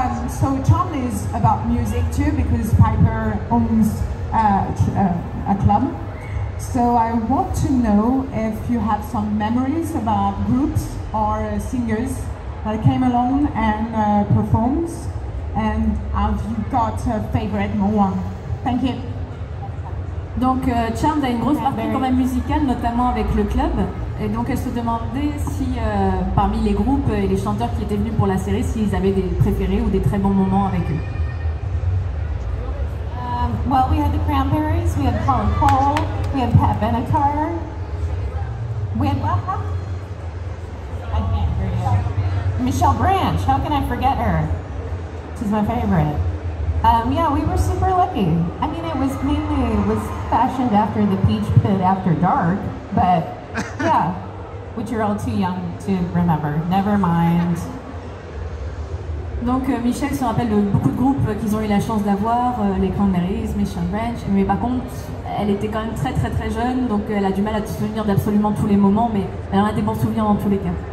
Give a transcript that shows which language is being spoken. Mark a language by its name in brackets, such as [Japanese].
[English] So Tom is about music too because Piper owns a club. So I want to know if you have some memories about groups or singers that came along and performs, and have you got a favorite one? Thank you. [French] Donc Charmed a une grosse partie quand même musicale, notamment avec le club. Et donc elle se demandait si parmi les groupes et les chanteurs qui étaient venus pour la série, s'ils avaient des préférés ou des très bons moments avec eux. [English] Well, we had the Cranberries, we had Paul and Paul, we had Pat Benatar, we had Waha. I can't hear you. Michelle Branch, how can I forget her? She's my favorite. Yeah, we were super lucky. I mean, it was fashioned after the Peach Pit after dark, but yeah, which you're all too young to remember. Never mind. [French] Donc Michel se rappelle de beaucoup de groupes qu'ils ont eu la chance d'avoir, les Cranberries, Michelle Branch, mais par contre, elle était quand même très très très jeune, donc elle a du mal à se souvenir d'absolument tous les moments, mais elle en a des bons souvenirs dans tous les cas.